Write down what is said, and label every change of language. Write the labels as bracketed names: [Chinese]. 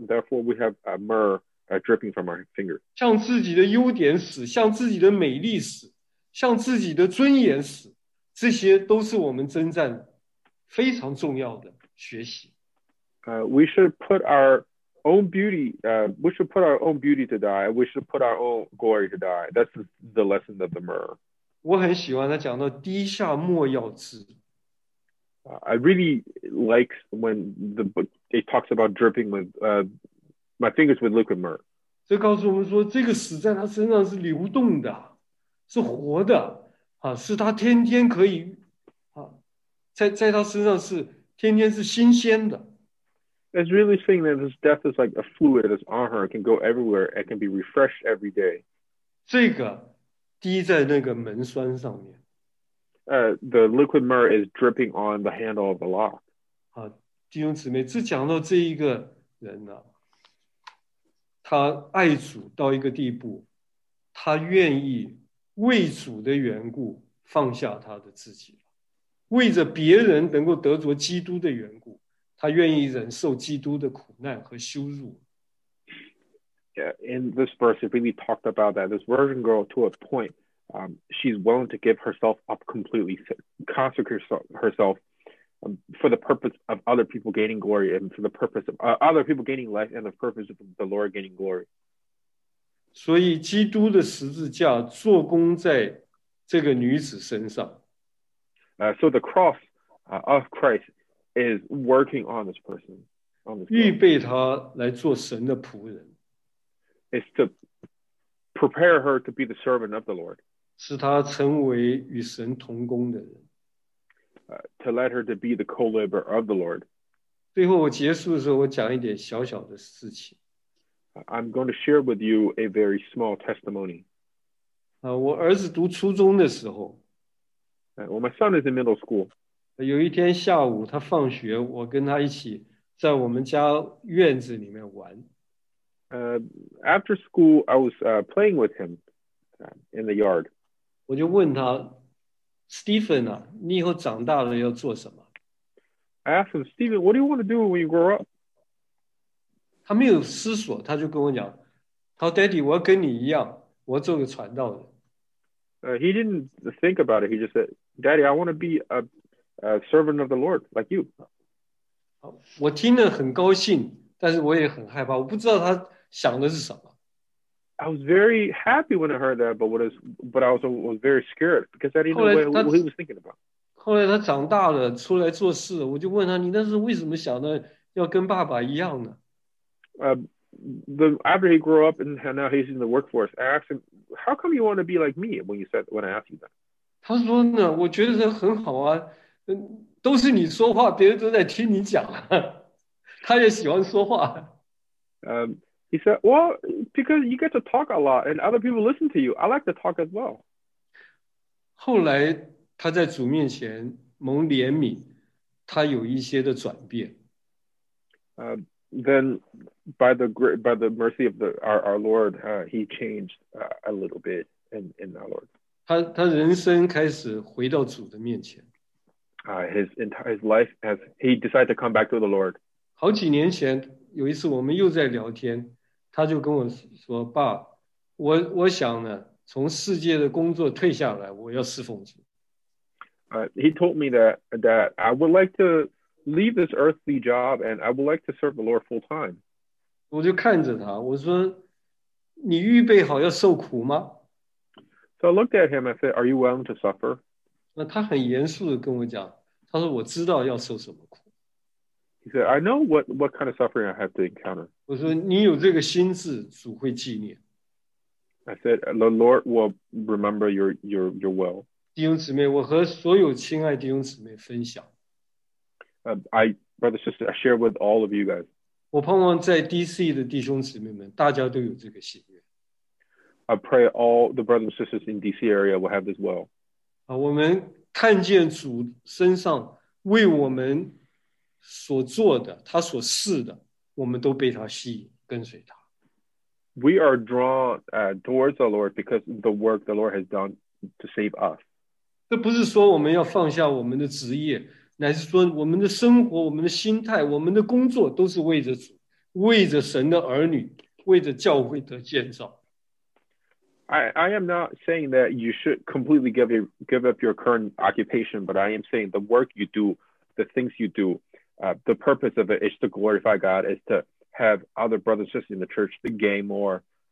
[English] Therefore, we have myrrh dripping from our fingers. [Chinese] 向自己的优点死，向自己的美丽死，向自己的尊严死，这些都是我们征战非常重要的学习。 [English] We should put our own beauty. We should put our own beauty to die. We should put our own glory to die. That's the lesson of the myrrh. [Chinese] 我很喜欢他讲到滴下墨药汁。 [English] I really like when the book it talks about dripping with my fingers with liquid myrrh. [Chinese] 这告诉我们说，这个死在他身上是流动的，是活的啊，是他天天可以啊，在他身上是天天是新鲜的。 [English] It's really saying that this death is like a fluid that's on her. It can go everywhere. It can be refreshed every day. [Chinese] 这个滴在那个门栓上面。 [English] The liquid myrrh is dripping on the handle of the lock. [Chinese] 弟兄姊妹，这讲到这一个人他爱主到一个地步，他愿意为主的缘故放下他的自己，为着别人能够得着基督的缘故，他愿意忍受基督的苦难和羞辱。 [English] Yeah, in this verse, it really talked about that. This virgin girl, to a point, she's willing to give herself up completely, consecrate herself for the purpose of other people gaining glory and for the purpose of other people gaining life and the purpose of the Lord gaining glory. [Chinese] 所以基督的十字架做工在这个女子身上。 [English] So the cross of Christ is working on this person. [Chinese] 预备她来做神的仆人。 [English] Is to prepare her to be the servant of the Lord. [Chinese] 使她成为与神同工的人。 [English] To let her to be the co-laborer of the Lord. [Chinese] 最后我结束的时候，我讲一点小小的事情。 [English] I'm going to share with you a very small testimony. [Chinese] 我儿子读初中的时候。 [English] Well, my son is in middle school. [Chinese] 有一天下午他放学，我跟他一起在我们家院子里面玩。 [English] After school, I was playing with him in the yard. [Chinese] 我就问他, Stephen, 啊, 你以后长大了要做什么? [English] I asked him, Stephen, what do you want to do when you grow up? [Chinese] 他没有思索, 他就跟我讲, 他说, Daddy, 我要跟你一样, 我要做个传道人。 [English] He didn't think about it. He just said, Daddy, I want to be a servant of the Lord, like you. [Chinese] 我听得很高兴。但是我也很害怕，我不知道他想的是什么。 [English] I was very happy when I heard that, but I also was very scared because I didn't know what he was thinking about. [Chinese] 后来他长大了，出来做事，我就问他：“你那时候为什么想的要跟爸爸一样呢？” [English] After he grew up and now he's in the workforce, I asked him, "How come you want to be like me?" When I asked you that, [Chinese] 他说呢：“我觉得很好啊，都是你说话，别人都在听你讲。” 他也喜欢说话。 [English] He said, well, because you get to talk a lot and other people listen to you. I like to talk as well. [Chinese] 后来他在主面前蒙怜悯，他有一些的转变。 [English] Then by the mercy of our Lord, he changed a little bit in our Lord. [Chinese] 他人生开始回到主的面前。 [English] His life, as he decided to come back to the Lord. [Chinese] 好几年前有一次我们又在聊天，他就跟我说，爸，我想呢从世界的工作退下来，我要侍奉主。 [English] He told me that I would like to leave this earthly job and I would like to serve the Lord full time. [Chinese] 我就看着他，我说你预备好要受苦吗？ [English] So I looked at him and said, are you willing to suffer? [Chinese] 那他很严肃地跟我讲，他说我知道要受什么苦。 [English] He said, I know what kind of suffering I have to encounter. [Chinese] 我说你有这个心智，主会纪念。 [English] I said, the Lord will remember your will. [Chinese] 弟兄姊妹，我和所有亲爱弟兄姊妹分享。 [English] I, brother, sister, I share with all of you guys. [Chinese] 我盼望在 DC 的弟兄姊妹们，大家都有这个心愿。 [English] I pray all the brothers and sisters in DC area will have this will. [Chinese] 我们看见主身上为我们所做的，他所事的，我们都被他吸引，跟随他。 [English] We are drawn towards the Lord because the work the Lord has done to save us. [Chinese] 这不是说我们要放下我们的职业，乃是说我们的生活、我们的心态、我们的工作都是为着主，为着神的儿女，为着教会的建造。 [English] I am not saying that you should completely give up your current occupation, but I am saying the work you do, the things you do. The purpose of it is to glorify God, is to have other brothers and sisters in the church to gain more.